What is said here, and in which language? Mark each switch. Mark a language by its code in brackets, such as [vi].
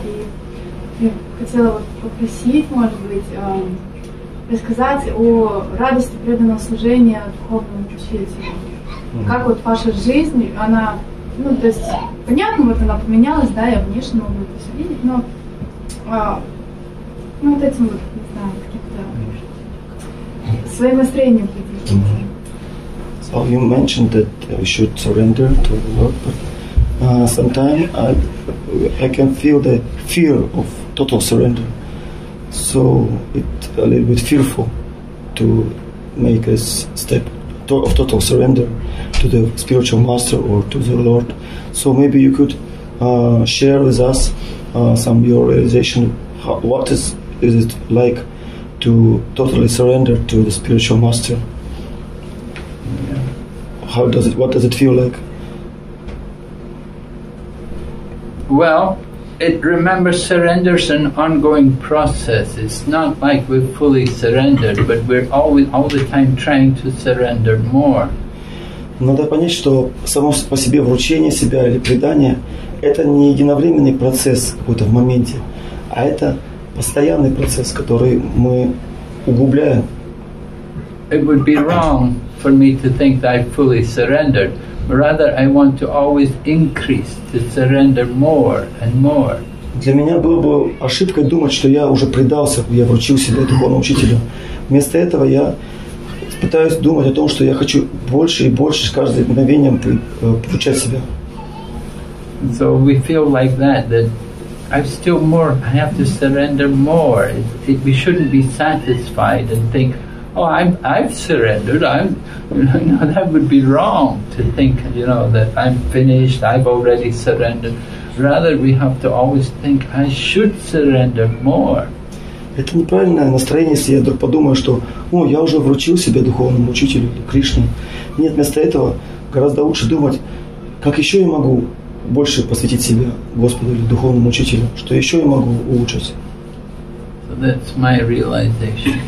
[ru] И я хотела попросить, может быть, рассказать о радости преданного служения духовному учителю. Как ваша жизнь, она... то есть, понятно, она поменялась, я внешне могу это все видеть, но каким-то своим настроением поделиться. [en] So you mentioned that we should surrender to the Lord, but sometimes I can feel the fear of total surrender. So it's a little bit fearful to make a step of total surrender to the spiritual master or to the Lord. So maybe you could share with us some of your realization. What is it like to totally surrender to the spiritual master? Yeah. What does it feel like? Well, it remembers surrender's an ongoing process. It's not like we've fully surrendered, but we're always all the time trying to surrender more. [ru] Надо понять, что само по себе вручение себя или предание – это не единовременный процесс какой-то в моменте, а это постоянный процесс, который мы углубляем. [en] It would be wrong for me to think that I fully surrendered. Rather, I want to always increase, to surrender more and more. [ru] Для меня было бы ошибкой думать, что я уже предался, я вручил себя духовному учителю. Вместо этого я пытаюсь думать о том, что я хочу больше и больше с каждым мгновением получать себя. [en] So we feel like that, that I've still more, I have to surrender more. We shouldn't be satisfied and think, oh, I've surrendered. That would be wrong to think, you know, that I'm finished, I've already surrendered. Rather, we have to always think, I should surrender more. [ru] Это неправильное настроение, если я вдруг подумаю, что «О, я уже вручил себя духовному учителю, Кришне». Нет, вместо этого гораздо лучше думать, как еще я могу больше посвятить себя Господу или духовному учителю, что еще я могу улучшить. [en] So that's my realization.